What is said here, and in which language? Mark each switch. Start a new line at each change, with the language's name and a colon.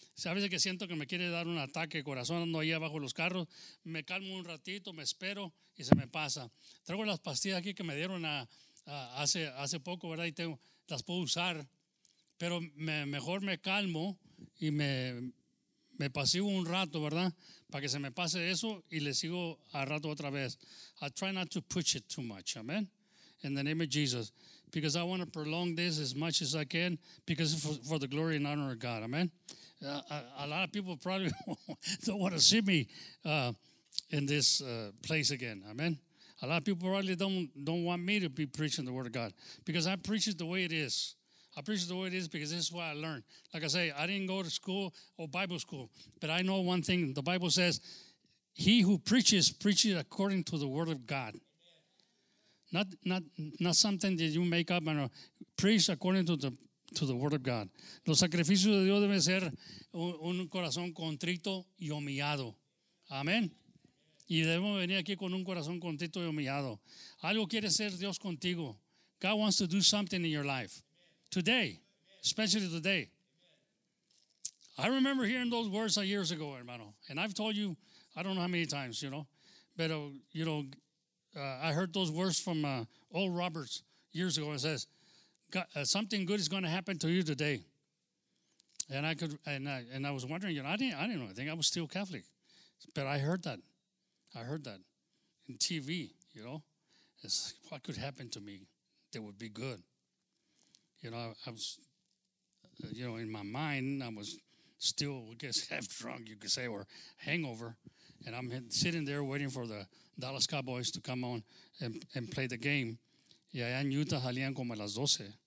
Spanish: A veces que siento que me quiere dar un ataque de corazón, ando ahí abajo de los carros, me calmo un ratito, me espero y se me pasa. Traigo las pastillas aquí que me dieron hace poco, ¿verdad? Y tengo, las puedo usar, pero mejor me calmo y me pasivo un rato, ¿verdad?, para que se me pase eso y le sigo al rato otra vez.
English: I try not to push it too much, amen, in the name of Jesus, because I want to prolong this as much as I can, because for the glory and honor of God, amen. A lot of people probably don't want to see me in this place again, amen. A lot of people probably don't want me to be preaching the word of God, because I preach it the way it is. I preach the way it is because this is what I learned. Like I say, I didn't go to school or Bible school, but I know one thing. The Bible says, he who preaches, preaches according to the word of God. Not something that you make up, and preach according to the word of God.
Spanish: Los sacrificios de Dios deben ser un corazón contrito y humillado. Amén. Y debemos venir aquí con un corazón contrito y humillado. Algo quiere ser Dios contigo.
English: God wants to do something in your life. Today, especially today. I remember hearing those words years ago, hermano. And I've told you, I don't know how many times, you know. But, you know, I heard those words from old Roberts years ago. It says, something good is going to happen to you today. And I was wondering, you know, I didn't know. I think I was still Catholic. But I heard that. I heard that in TV, you know. It's like, what could happen to me that would be good? You know, I was, you know, in my mind, I was still, I guess, half drunk, you could say, or hangover. And I'm sitting there waiting for the Dallas Cowboys to come on and play the game.
Spanish: Y allá en Utah salían como a las 12.